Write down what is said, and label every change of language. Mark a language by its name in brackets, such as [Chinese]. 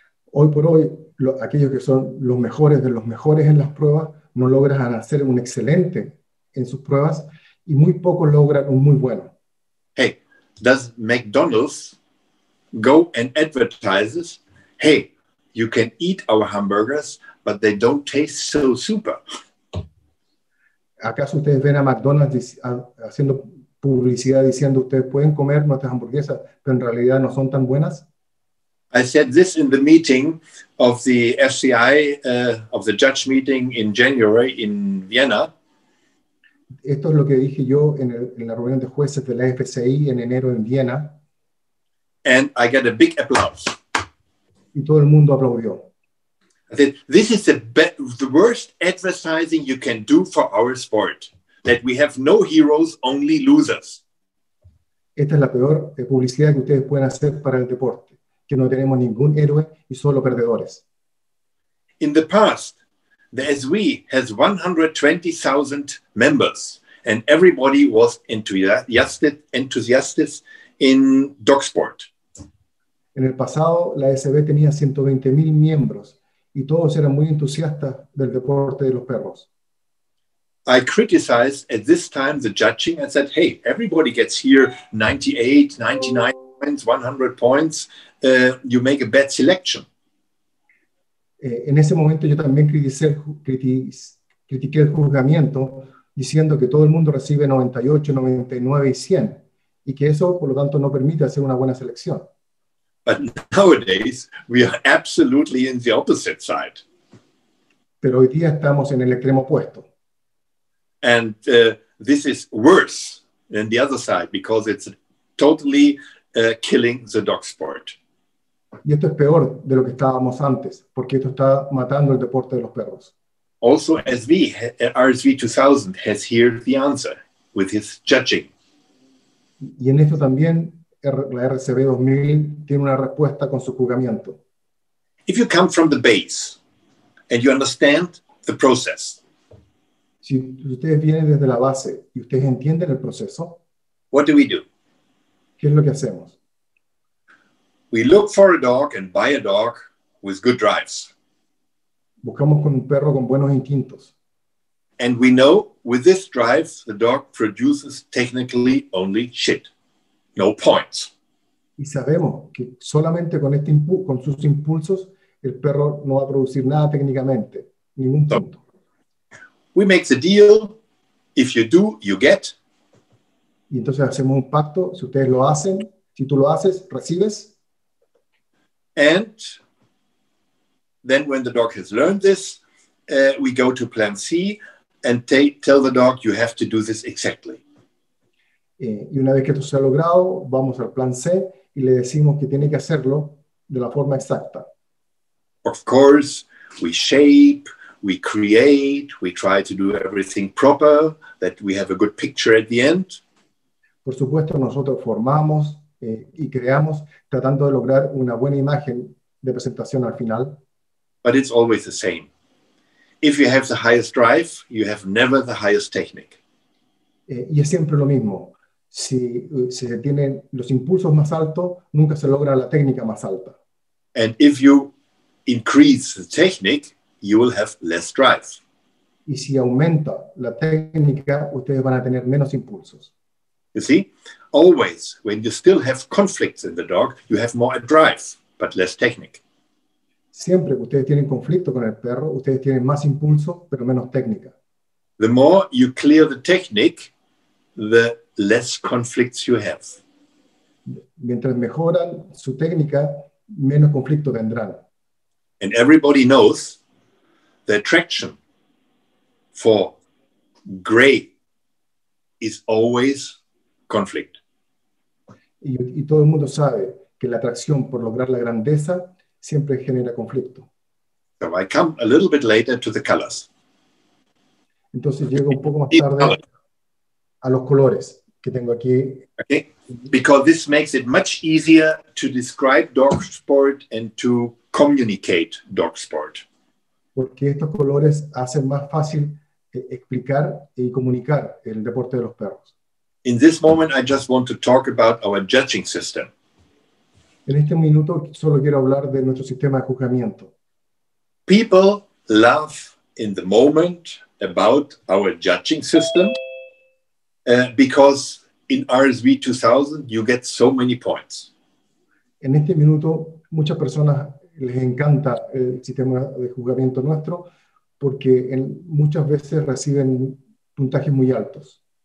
[Spanish] Hoy por hoy, aquellos que son los mejores de los mejores en las pruebas no logran hacer un excelente en sus pruebas y muy pocos logran un muy bueno. [English] Hey, does McDonald's go and advertises, hey, you can eat our hamburgers, but they don't taste so super. [Spanish] ¿Acaso ustedes ven a McDonald's haciendo publicidad diciendo ustedes pueden comer nuestras hamburguesas, pero en realidad no son tan buenas? [English] I said this in the meeting of the FCI, of the judge meeting in January in Vienna. [Spanish] Esto es lo que dije yo en la reunión de jueces de la FCI en enero en Viena. [English] And I got a big applause. [Spanish] Y todo el mundo aplaudió. [English] I said, this is the worst advertising you can do for our sport. That we have no heroes, only losers. [Spanish] Esta es la peor publicidad que ustedes pueden hacer para el deporte. Que no tenemos ningún héroe y solo perdedores. [English] In the past, the SWE has 120,000 members and everybody was enthusiastic in dog sport. [Spanish] En el pasado, la SB tenía 120,000 miembros y todos eran muy entusiastas del deporte de los perros. [English] I criticized at this time the judging and said, hey, everybody gets here 98, 99 points, 100 points. You make a bad selection. [Spanish] En ese momento yo también critiqué el juzgamiento diciendo que todo el mundo recibe 98, 99 y 100 y que eso, por lo tanto, no permite hacer una buena selección. [English] But nowadays, we are absolutely in the opposite side. [Spanish] Pero hoy día estamos en el extremo opuesto. [English] And this is worse than the other side because it's totally killing the dog sport. [Spanish] Y esto es peor de lo que estábamos antes, porque esto está matando el deporte de los perros. [English] Also, SV, RSV 2000 has heard the answer with his judging. [Spanish] Y en esto también la RSV 2000 tiene una respuesta con su juzgamiento. [English] If you come from the base and you understand the process. [Spanish] Si ustedes vienen desde la base y ustedes entienden el proceso. [English] What do we do? [Spanish] ¿Qué es lo que hacemos? [English] We look for a dog and buy a dog with good drives. [Spanish] Buscamos con un perro con buenos instintos. [English] And we know with this drive, the dog produces technically only shit. No points. [Spanish] Y sabemos que solamente con este con sus impulsos, el perro no va a producir nada técnicamente. Ningún punto. [English] We make the deal. If you do, you get. [Spanish] Y entonces hacemos un pacto. Si ustedes lo hacen, si tú lo haces, recibes. [English] And then when the dog has learned this, we go to plan C and tell the dog, you have to do this exactly. [Spanish] Y una vez que esto se ha logrado, vamos al plan C y le decimos que tiene que hacerlo de la forma exacta. [English] Of course, we shape, we create, we try to do everything proper, that we have a good picture at the end. [Spanish] Por supuesto, nosotros formamos y creamos tratando de lograr una buena imagen de presentación al final. [English] But it's always the same. If you have the highest drive, you have never the highest technique. [Spanish] Y es siempre lo mismo. Si se tienen los impulsos más altos, nunca se logra la técnica más alta. [English] And if you increase the technique, you will have less drive. [Spanish] Y si aumenta la técnica, ustedes van a tener menos impulsos. [English] You see? Always, when you still have conflicts in the dog, you have more drive, but less technique. [Spanish] Siempre que ustedes tienen conflicto con el perro, ustedes tienen más impulso, pero menos técnica. [English] The more you clear the technique, the less conflicts you have. [Spanish] Mientras mejoran su técnica, menos conflicto tendrán. [English] And everybody knows the attraction for gray is always conflict. [Spanish] Y todo el mundo sabe que la atracción por lograr la grandeza siempre genera conflicto. [English] So I come a little bit later to the colors. [Spanish] Entonces llego un poco más tarde a los colores que tengo aquí. [English] Okay. Because this makes it much easier to describe dog sport and to communicate dog sport. [Spanish] Porque estos colores hacen más fácil explicar y comunicar el deporte de los perros. [English] In this moment, I just want to talk about our judging system. [Spanish] En este minuto solo quiero hablar de nuestro sistema de juzgamiento. [English] People laugh in the moment about our judging system because in RSV 2000 you get so many points. [Spanish] En este minuto muchas personas les encanta el sistema de juzgamiento nuestro porque muchas veces reciben puntajes muy altos.